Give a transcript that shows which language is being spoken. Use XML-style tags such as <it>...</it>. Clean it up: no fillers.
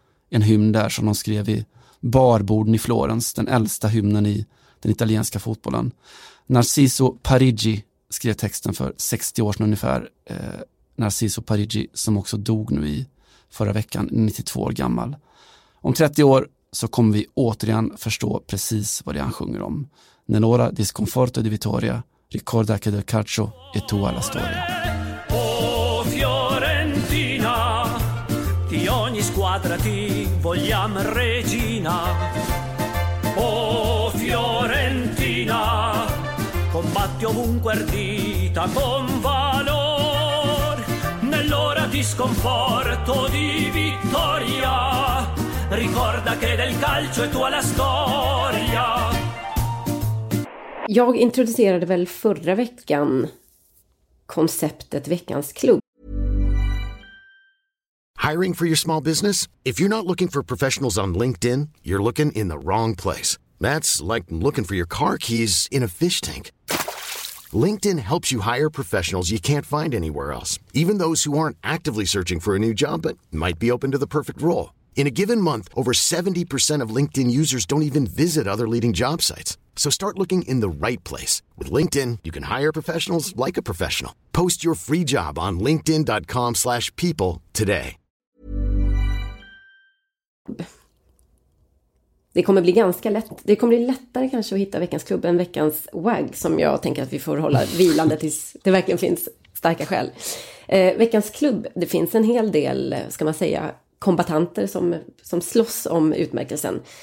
<sv>En hymn där som de skrev i barborden i Florens, den äldsta hymnen i den italienska fotbollen. Narciso Parigi skrev texten för 60 år sedan ungefär. Narciso Parigi som också dog nu i förra veckan, 92 år gammal. Om 30 år så kommer vi återigen förstå precis vad det han sjunger om.</sv> <it>Nenora disconforto di vittoria, ricorda che del calcio è tua la storia. Oh Fiorentina, di ogni squadra ti vogliam regina. Oh Fiorentina, combatti ovunque ardita con valor. Nell'ora di sconforto di vittoria, ricorda che del calcio è tua la storia.</it> <sv>Jag introducerade väl förra veckan konceptet veckans klubb.</sv> <en>Hiring for your small business? If you're not looking for professionals on LinkedIn, you're looking in the wrong place. That's like looking for your car keys in a fish tank. LinkedIn helps you hire professionals you can't find anywhere else, even those who aren't actively searching for a new job but might be open to the perfect role. In a given month, over 70% of LinkedIn users don't even visit other leading job sites. So start looking in the right place. With LinkedIn, you can hire professionals like a professional. Post your free job on linkedin.com/people today.</en> <sv>Det kommer bli ganska lätt. Det kommer bli lättare kanske att hitta veckans klubb än veckans wag, som jag tänker att vi får hålla vilande tills det verkligen finns starka skäl. Veckans klubb, det finns en hel del, ska man säga, kombatanter som slåss om utmärkelsen.</sv>